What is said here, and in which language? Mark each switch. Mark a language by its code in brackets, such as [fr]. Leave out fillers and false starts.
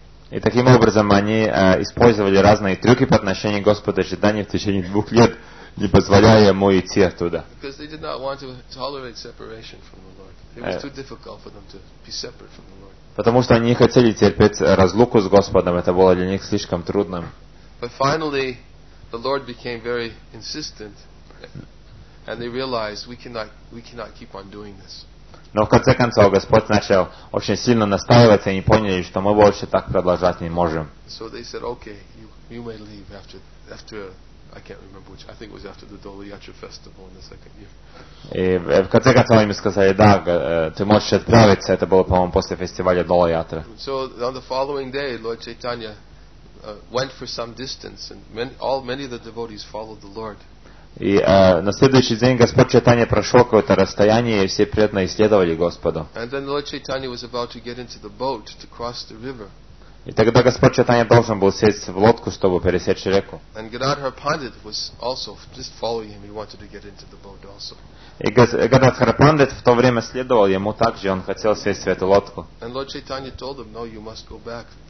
[ru] И таким образом они использовали разные трюки по отношению к Господу Чайтанье в течение 2 лет, не позволяя ему идти оттуда. [en] Because they did not want to tolerate separation from the Lord. It was too difficult for them to be separate from the Lord. [ru] Потому что они не хотели терпеть разлуку с Господом, это было для них слишком трудным. [en] But finally, the Lord became very insistent, and they realized we cannot keep on doing this. [ru] Но в конце концов Господь начал очень сильно настаивать, и они поняли, что мы больше так продолжать не можем. [en] So they said, okay, you may leave after I can't remember which. I think it was after the Dolly Yatra festival in the second year. [ru] И в конце концов они сказали, да, ты можешь отправиться. Это было, по-моему, после фестиваля Dolly Yatra. [en] So on the following day, Lord Chaitanya went for some distance, and many of the devotees followed the Lord. [ru] И на следующий день Господь Чайтанья прошел какое-то расстояние, и все преданные следовали Господу. [en] And then Lord Chaitanya was about to get into the boat to cross the river. [ru] И тогда Господь Чайтанья должен был сесть в лодку, чтобы пересечь реку. [en] And Gadadhar Pandit was also just following him. He wanted to get into the boat also. [ru] И Гададхар Пандит в то время следовал ему также, он хотел сесть в эту лодку. [en] And Lord Chaitanya told him, "No, you must go back."